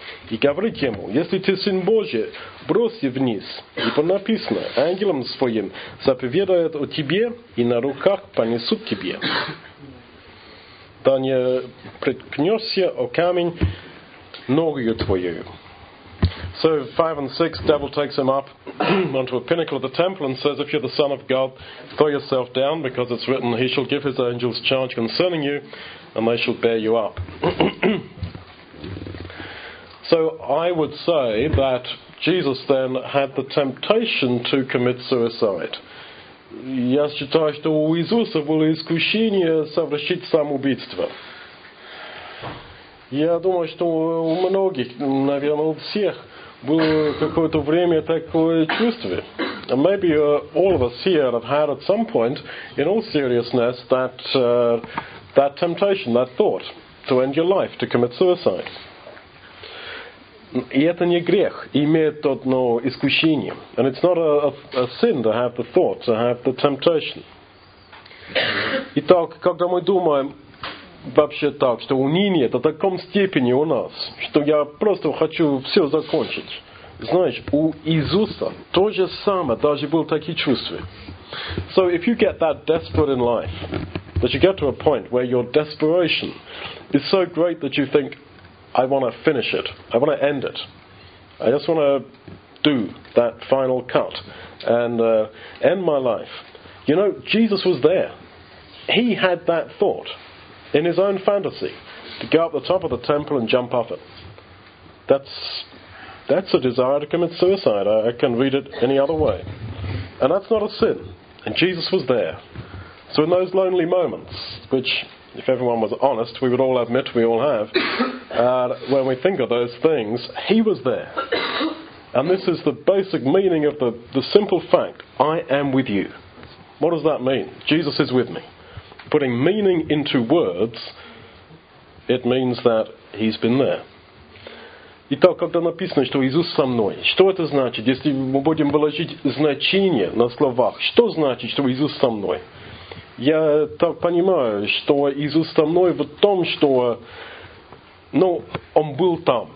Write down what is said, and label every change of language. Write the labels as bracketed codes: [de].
[ru] И говорит ему, если ты сын Божий, брось вниз. Ибо написано, ангелам своим заповедают о тебе и на руках понесут тебе. Да не приткнешься о камень ногою твою. [en] So 5 and 6, devil takes him up onto a pinnacle of the temple and says, if you're the son of God, throw yourself down, because it's written, he shall give his angels charge concerning you, and they shall bear you up. So I would say that Jesus then had the temptation to commit suicide. [ru] Я считаю, что у Иисуса было искушение совершить самоубийство. Я думаю, что у многих, наверное, у всех было какое-то время такое чувство. [en] And maybe all of us here have had at some point, in all seriousness, that temptation, that thought to end your life, to commit suicide. [ru] И это не грех, иметь то, но искушение. [en] And it's not a sin to have the thought, to have the temptation. [ru] Итак, когда мы думаем вообще так, что уныние это в таком степени у нас, что я просто хочу все закончить. Знаешь, у Иисуса то же самое, даже было такие чувства. [en] So if you get that desperate in life, that you get to a point where your desperation is so great that you think, I want to finish it. I want to end it. I just want to do that final cut and end my life. You know, Jesus was there. He had that thought in his own fantasy to go up the top of the temple and jump off it. That's a desire to commit suicide. I can read it any other way. And that's not a sin. And Jesus was there. So in those lonely moments, which, if everyone was honest, we would all admit we all have, when we think of those things, he was there. And this is the basic meaning of the simple fact, I am with you. What does that mean? Jesus is with me. Putting meaning into words, it means that he's been there. [ru] Итак, когда написано, что Иисус со мной, что это значит? Если мы будем выложить значение на словах, что значит, что Иисус со мной? Я так понимаю, что Иисус со мной в том, что, ну, он был там.